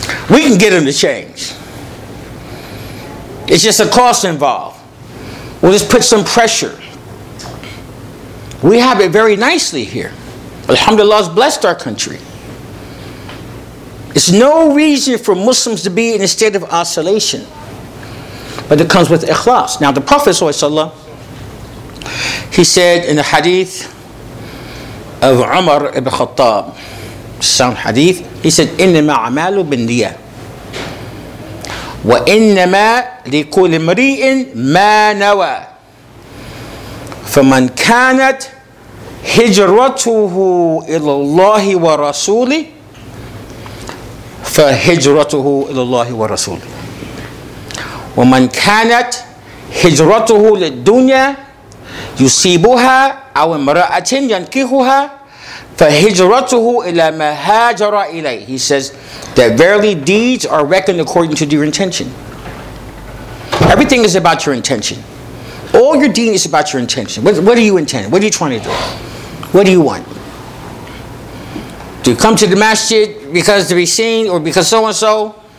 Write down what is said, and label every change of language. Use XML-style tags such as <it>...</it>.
<en>We can get them to change. It's just a cost involved. We'll just put some pressure. We have it very nicely here. Alhamdulillah has blessed our country. It's no reason for Muslims to be in a state of oscillation. But it comes with ikhlas. Now the Prophet ﷺ, he said in the hadith of Umar ibn Khattab, sound hadith, he said,</en> <ar>إِنَّمَا عَمَالُ بِالنِّيَّةِ وَإِنَّمَا لِكُلِ مْرِئٍ مَا نَوَى فَمَنْ كَانَتْ هِجْرَتُهُ إِلَى اللَّهِ وَرَسُولِهِ فَهِجْرَتُهُ إِلَى اللَّهِ وَرَسُولِهِ وَمَنْ كَانَتْ هِجْرَتُهُ لِلدُّنْيَا يُسِيبُهَا أَوْ امْرَأَةٍ يَنْكِهُهَا فَهِجْرَتُهُ إِلَى مَا هَاجَرَ إِلَيْهِ.</ar> <en>He says that verily deeds are reckoned according to your intention. Everything is about your intention. All your deen is about your intention. What are you intending? What are you trying to do? What do you want? Do you come to the masjid because to be seen or because so-and-so?</en>